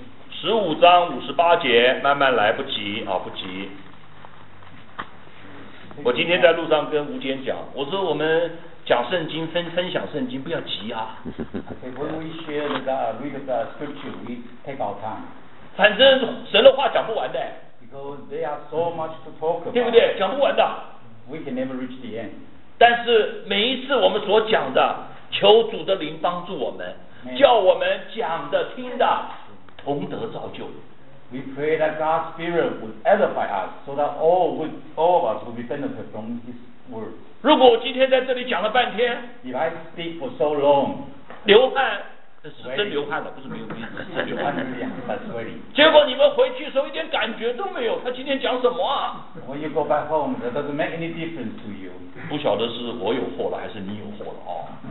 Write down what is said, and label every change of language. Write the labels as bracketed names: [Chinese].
[Chinese] 十五章五十八节，慢慢来，不急啊，不急。我今天在路上跟吴坚讲，我说我们讲圣经，分享圣经，不要急啊。 [English] Okay, when we share the read of the scripture, we take our time. [Chinese] 反正神的话讲不完的。 [English] Because there are so much to talk about. [Chinese] 对不对？讲不完的。 [English] We can never reach the end. [Chinese] 但是每一次我们所讲的，求主的灵帮助我们，叫我们讲的、听的。功德造就。 [English] We pray that God's Spirit would edify us, so that all of us would be benefited from His word. [Chinese] 如果我今天在这里讲了半天 [English] ，If I speak for so long, [Chinese] 流汗，是真流汗了，不是没有鼻子，真流汗 [English] 了。Sweating. [Chinese] 结果你们回去的时候一点感觉都没有，他今天讲什么啊 [English] ？When you go back home, that doesn't make any difference to you. [Chinese] 不晓得是我有祸了还是你有祸了啊？